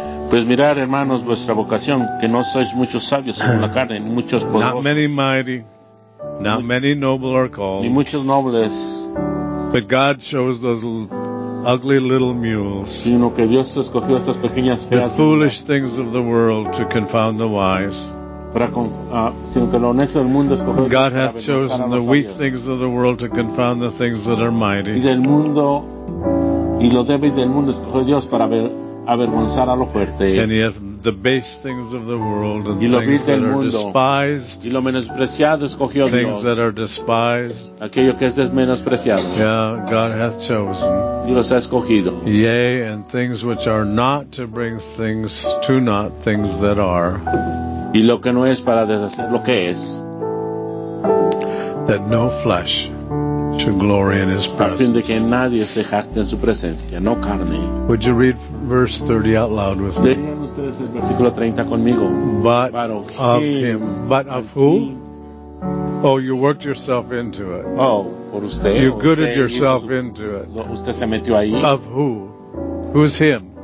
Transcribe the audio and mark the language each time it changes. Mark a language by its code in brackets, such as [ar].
[es] Pues mirad, hermanos, vuestra vocación, que no sois muchos sabios según la carne, ni muchos poderosos. [en] Not many mighty, not many noble are called. [es] Ni muchos nobles. [en] But God chose those ugly little mules. [es] Sino que Dios escogió estas pequeñas feas. [en] The foolish things of the world to confound the wise. God hath chosen the weak things of the world to confound the things that are mighty. [es] Y del mundo y lo débil del mundo escogió Dios para avergonzar a lo fuerte. [en] And he hath the base things of the world and things that are despised. [es] Y lo menospreciado escogió Dios. [en] Things that are despised. [es] Aquello que es menospreciado. [en] Yeah, God hath chosen. [es] Dios ha escogido. [en] Yea, and things which are not to bring things to naught, things that are. [es] Y lo que no es para deshacer lo que es. [en] That no flesh should glory in his presence. [es] A fin de que nadie se jacte en su presencia, no carne. [en] Would you read verse 30 out loud with me? [es] Leían ustedes el versículo 30 conmigo. [en] But of him. But of who? Oh, you worked yourself into it. [es] Oh, por usted. [en] You gooded yourself into it. [es] Usted se metió ahí. [en] Of who? Who's him?